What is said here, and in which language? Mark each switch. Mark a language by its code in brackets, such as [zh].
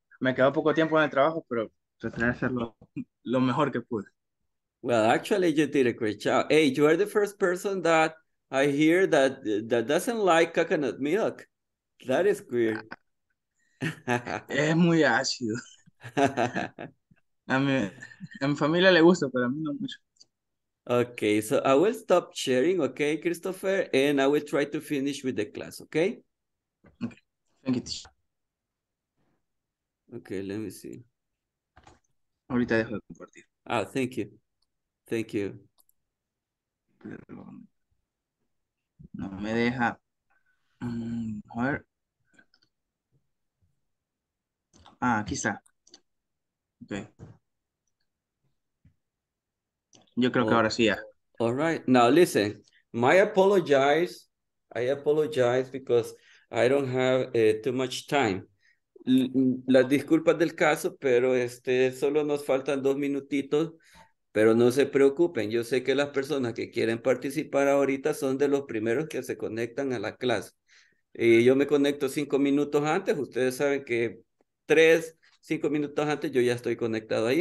[es] Me quedó poco tiempo en el trabajo, pero traté de hacerlo lo mejor que pude. [en] Well, actually, you did a great job. Hey, you are the first person that I hear that doesn't like coconut milk. That is weird. [es] Es muy ácido. A mi familia le gusta, pero a mí no mucho. [en] Okay, so I will stop sharing, okay, Christopher, and I will try to finish with the class, okay? Okay, thank you. Okay, let me see. [es] Ahorita dejo de compartir. [en] Ah, thank you. Thank you. [es] No me deja. A ver. Ah, aquí está. Okay. Yo creo que ahora sí ya. [en] All right. Now, listen. I apologize because I don't have too much time. [es] Las disculpas del caso, pero solo nos faltan 2 minutitos. Pero no se preocupen. Yo sé que las personas que quieren participar ahorita son de los primeros que se conectan a la clase. Y yo me conecto 5 minutos antes. Ustedes saben que 3, 5 minutos antes yo ya estoy conectado ahí.